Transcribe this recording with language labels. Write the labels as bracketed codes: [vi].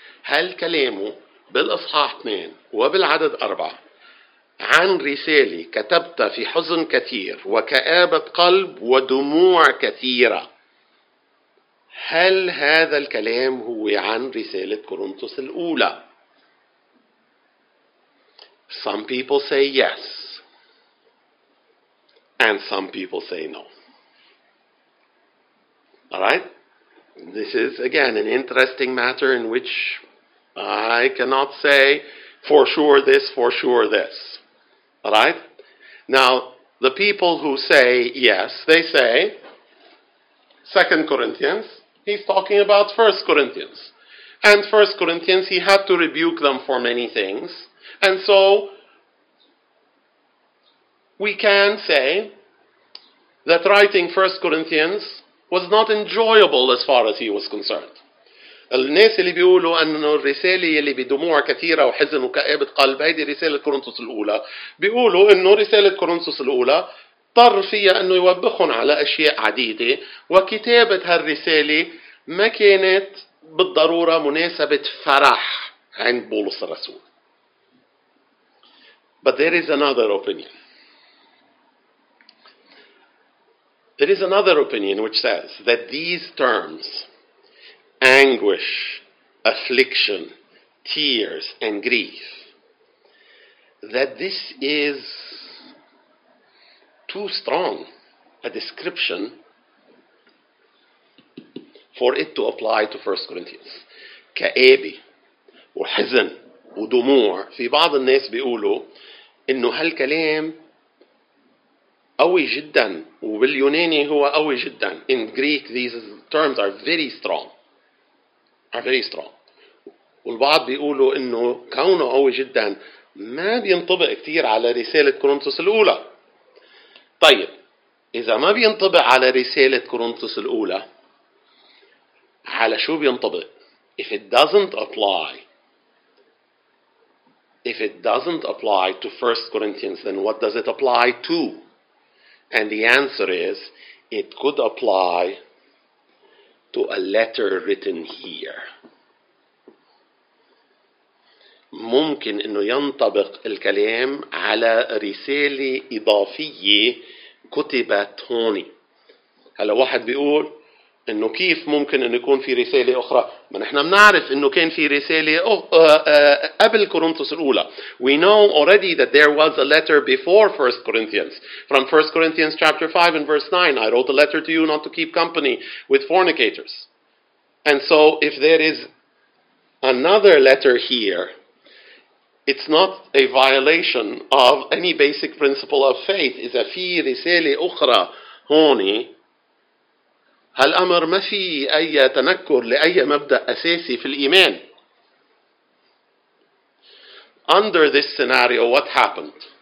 [ar] هل كلامه بالإصحاح 2 وبالعدد 4 عن رسالة كتبت في حزن كثير وكآبة قلب ودموع كثيرة؟ هل هذا الكلام هو عن رسالة كورنثوس الأولى؟ [en] Some people say yes, and some people say no. All right? This is, again, an interesting matter in which I cannot say for sure this, for sure this. All right? Now, the people who say yes, they say, 2 Corinthians, he's talking about 1 Corinthians. And 1 Corinthians, he had to rebuke them for many things. And so, we can say that writing 1 Corinthians was not enjoyable as far as he was concerned. [ar] الناس اللي بيقولوا أنه الرسالة اللي بدموع كثيرة وحزن وكآبة قلب هذه رسالة كورنثوس الأولى بيقولوا أنه رسالة كورنثوس الأولى طر فيها أنه يوبخهم على أشياء عديدة وكتابة هالرسالة ما كانت بالضرورة مناسبة فرح عند بولس الرسول. [en] But there is another opinion. There is another opinion which says that these terms, anguish, affliction, tears, and grief, that this is too strong a description for it to apply to 1 Corinthians. [ar] كآبة وحزن ودموع. في بعض الناس بيقولوا إنه هالكلام قوي جدا وباليوناني هو قوي جدا. [en] In Greek, these terms are very strong. Are very strong. [ar] والبعض بيقولوا إنه كونه قوي جدا ما بينطبق كتير على رسالة كورنثوس الأولى. طيب إذا ما بينطبق على رسالة كورنثوس الأولى على شو بينطبق؟ [en] If it doesn't apply, if it doesn't apply to 1 Corinthians, then what does it apply to? And the answer is, it could apply to a letter written here. [ar] ممكن إنه ينطبق الكلام على رسالة إضافية كتبت هوني. هلا واحد بيقول إنه كيف ممكن إنه يكون في رسالة أخرى؟ ما نحن منعرف إنه كان في رسالة قبل كورنثوس الأولى. [en] We know already that there was a letter before 1 Corinthians. From 1 Corinthians chapter 5 and verse 9, I wrote a letter to you not to keep company with fornicators. And so if there is another letter here, it's not a violation of any basic principle of faith. [ar] إذا في رسالة أخرى هوني هالأمر ما في أي تنكر لأي مبدأ أساسي في الإيمان. [en] Under this scenario, what happened?